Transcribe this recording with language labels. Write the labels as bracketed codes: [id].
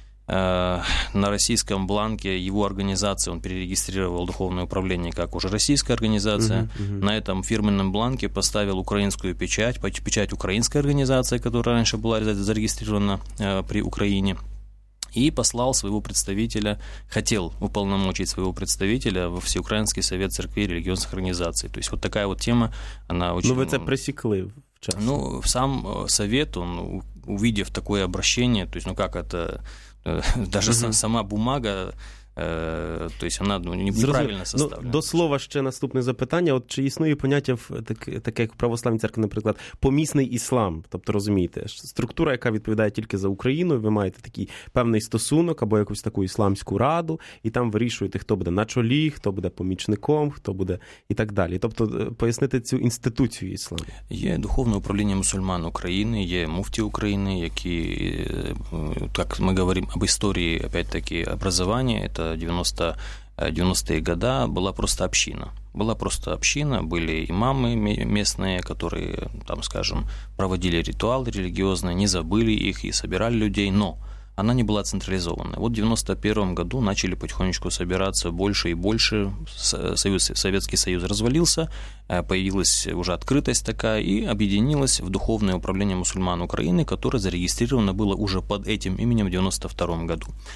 [ru] На российском бланке его организации, он перерегистрировал Духовное управление как уже российская организация, на этом фирменном бланке поставил украинскую печать, печать украинской организации, которая раньше была зарегистрирована при Украине, и послал своего представителя, хотел уполномочить своего представителя во Всеукраинский совет церквей и религиозных организаций. То есть вот такая вот тема, она очень... Ну, вы это пресекли в час. Ну, сам совет, он, увидев такое обращение, то есть, ну как это, даже сама бумага, то есть она неправильно составлена. [uk] Ну, до слова ще наступне запитання. От чи існує поняття, таке, як в православній церкві, наприклад, помісний іслам? Тобто, розумієте, структура, яка відповідає тільки за Україну, ви маєте такий певний стосунок або якусь таку ісламську раду, і там вирішуєте, хто буде на чолі, хто буде помічником, хто буде і так далі. Тобто, пояснити цю інституцію ісламу. Є духовне управління мусульман України, є муфті України, які, як ми говоримо об історії, [ru] опять-таки, образування, это 90-е годы, была просто община. Была просто община, были имамы местные, которые, там, скажем, проводили ритуалы религиозные, не забыли их и собирали людей, но она не была централизованной. Вот в 91-м году начали потихонечку собираться больше и больше, Советский Союз развалился, появилась уже открытость такая и объединилась в Духовное управление мусульман Украины, которое зарегистрировано было уже под этим именем в 92-м году.